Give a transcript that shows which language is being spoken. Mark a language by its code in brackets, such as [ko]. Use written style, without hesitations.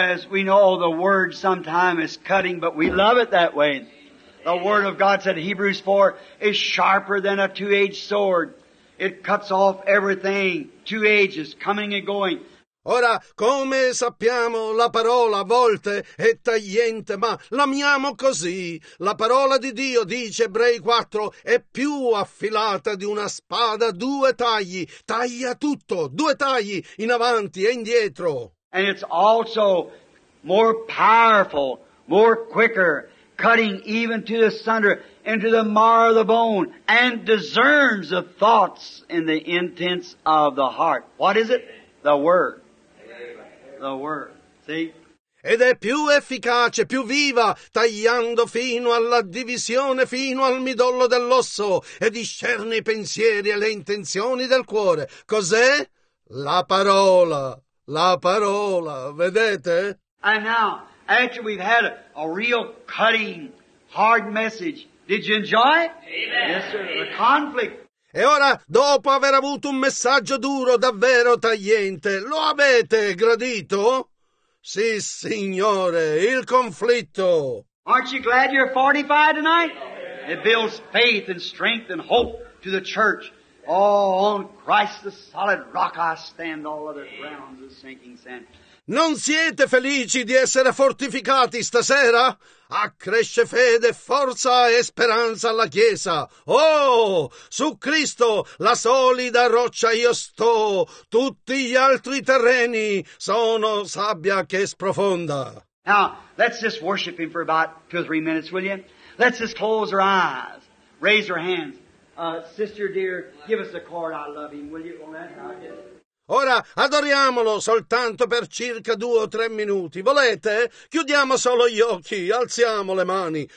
[en] We know the word sometimes is cutting, but we love it that way. The word of God said, Hebrews 4, is sharper than a two-edged sword. It cuts off everything, two ages, coming and going. [it] Ora, come sappiamo, la parola a volte è tagliente, ma l'amiamo così. La parola di Dio, dice Ebrei 4, è più affilata di una spada, due tagli. Taglia tutto, due tagli, in avanti e indietro. [en] And it's also more powerful, more quicker, cutting even to the sunder, into the marrow of the bone, and discerns the thoughts and the intents of the heart. What is it? The Word. The Word. See? [it] Ed è più efficace, più viva, tagliando fino alla divisione, fino al midollo dell'osso, e discerne i pensieri e le intenzioni del cuore. Cos'è? La parola. La parola. Vedete? [en] And now, after we've had a real cutting, hard message, did you enjoy it? Amen. Yes, sir. Amen. The conflict. [it] E ora, dopo aver avuto un messaggio duro, davvero tagliente, lo avete gradito? Sì, Signore, il conflitto. [en] Aren't you glad you're fortified tonight? It builds faith and strength and hope to the church. Oh, on Christ the solid rock I stand, all other grounds is sinking sand. [it] Non siete felici di essere fortificati stasera? Accresce fede, forza e speranza alla Chiesa. Oh, su Cristo, la solida roccia io sto. Tutti gli altri terreni sono sabbia che sprofonda. [en] Now, let's just worship him for about 2 or 3 minutes, will you? Let's just close our eyes. Raise your hands. Sister dear, give us a card. I love him. Will you? Well, that's how it is. [it] Ora, adoriamolo soltanto per circa 2 o 3 minuti. Volete? Chiudiamo solo gli occhi, alziamo le mani.